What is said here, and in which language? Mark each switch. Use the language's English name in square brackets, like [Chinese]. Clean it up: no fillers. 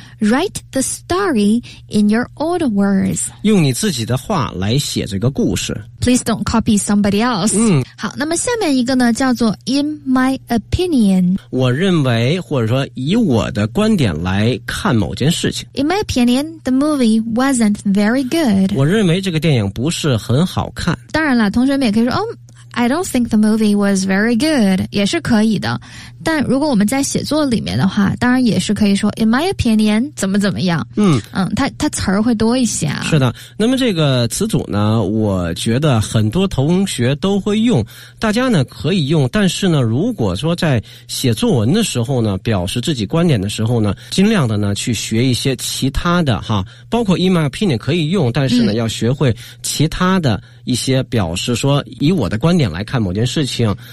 [English] Write the story in your own words. [Chinese] 用你自己的话来写这个故事。 [English] Please don't copy somebody else. [Chinese] 好，那么下面一个呢，叫做 [English] in my opinion. [Chinese] 我认为，或者说以我的观点来看某件事情。 [English] In my opinion, the movie wasn't very good. [Chinese] 我认为这个电影不是很好看。当然了，同学们也可以说，哦， [English] I don't think the movie was very good, [Chinese] 也是可以的。但如果我们在写作里面的话，当然也是可以说 [English] in my opinion, [Chinese] 怎么怎么样。它词儿会多一些啊。是的。那么这个词组呢，我觉得很多同学都会用，大家呢可以用，但是呢如果说在写作文的时候呢表示自己观点的时候呢，尽量的呢去学一些其他的哈，包括 [English] in my opinion [Chinese] 可以用，但是呢要学会其他的一些表示说以我的观点来看某件事情